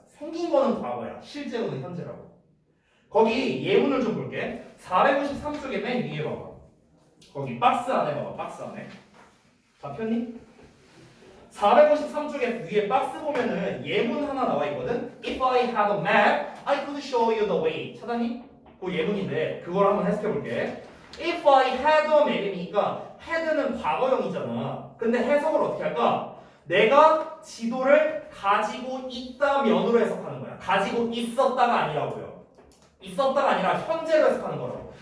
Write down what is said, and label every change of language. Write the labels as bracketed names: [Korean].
[Korean] 생긴 거는 과거야. 실제로는 현재라고. 거기 예문을 좀 볼게. 453쪽에 맨 위에 봐봐. 거기 박스 안에 봐봐. 박스 안에. 잡혔니? 453쪽에 위에 박스 보면은 예문 하나 나와 있거든. [English] If I had a map, I could show you the way. [Korean] 찾아니? 그 예문인데 그걸 한번 해석해 볼게. [English] If I had a map [Korean] 이니까 had는 과거형이잖아. 근데 해석을 어떻게 할까? 내가 지도를 가지고 있다면으로 해석하는 거야. 가지고 있었다가 아니라고요. 있었다가 아니라 현재로 해석하는 거라고.